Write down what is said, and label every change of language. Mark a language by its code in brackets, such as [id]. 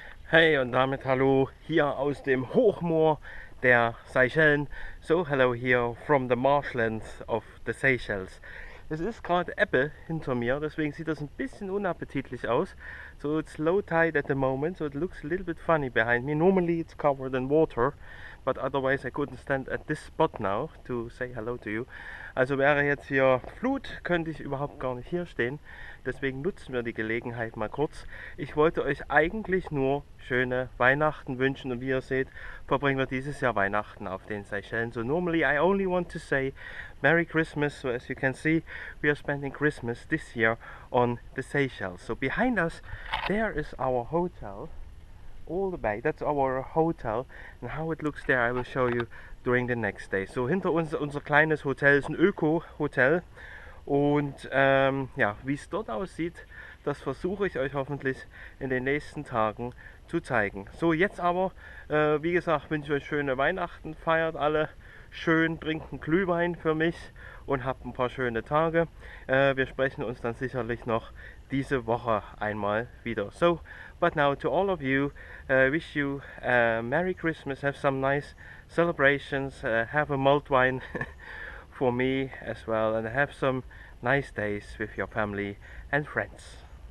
[de] Hey und damit hallo hier aus dem Hochmoor der Seychellen. [en] So hello here from the marshlands of the Seychelles. [de] Es ist gerade Ebbe hinter mir, deswegen sieht das ein bisschen unappetitlich aus. [en] So it's low tide at the moment, so it looks a little bit funny behind me. Normally it's covered in water, but otherwise I couldn't stand at this spot now to say hello to you. [de] Also wäre jetzt hier Flut, könnte ich überhaupt gar nicht hier stehen. Deswegen nutzen wir die Gelegenheit mal kurz. Ich wollte euch eigentlich nur schöne Weihnachten wünschen und wie ihr seht, verbringen wir dieses Jahr Weihnachten auf den Seychellen. [en] So normally I only want to say Merry Christmas. So as you can see, we are spending Christmas this year on the Seychelles. So behind us, there is our hotel, all the way. That's our hotel, and how it looks there, I will show you during the next day. [de] So hinter uns unser kleines Hotel ist ein Öko-Hotel, und ja, wie es dort aussieht, das versuche ich euch hoffentlich in den nächsten Tagen zu zeigen. So jetzt aber, wie gesagt, wünsche ich euch schöne Weihnachten, feiert alle schön, trinkt einen Glühwein für mich und habt ein paar schöne Tage. Wir sprechen uns dann sicherlich noch diese Woche einmal wieder. [en] So, but now to all of you, wish you a Merry Christmas, have some nice celebrations, have a mulled wine for me as well, and have some nice days with your family and friends.